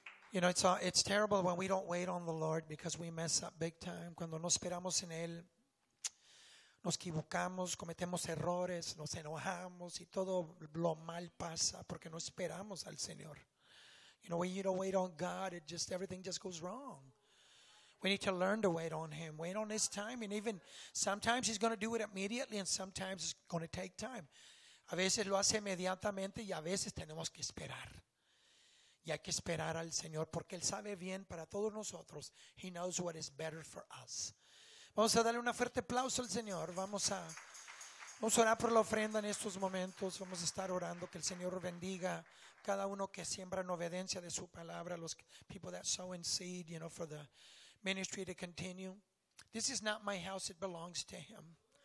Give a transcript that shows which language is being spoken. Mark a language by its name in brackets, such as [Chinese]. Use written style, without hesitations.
[English] You know, it's terrible when we don't wait on the Lord because we mess up big time. [Spanish] Cuando no esperamos en Él, nos equivocamos, cometemos errores, nos enojamos y todo lo mal pasa porque no esperamos al Señor. [English] You know, when you don't wait on God, it just everything just goes wrong. We need to learn to wait on Him. Wait on His time. And even sometimes He's going to do it immediately and sometimes it's going to take time. [Spanish] A veces lo hace inmediatamente y a veces tenemos que esperar. Y hay que esperar al Señor porque Él sabe bien para todos nosotros. He knows what is better for us. Vamos a darle un fuerte aplauso al Señor. Vamos a orar por la ofrenda en estos momentos. Vamos a estar orando que el Señor bendiga cada uno que siembra en obediencia de su palabra. [English] Los people that sow in seed, you know, for the ministry to continue. This is not my house, it belongs to Him.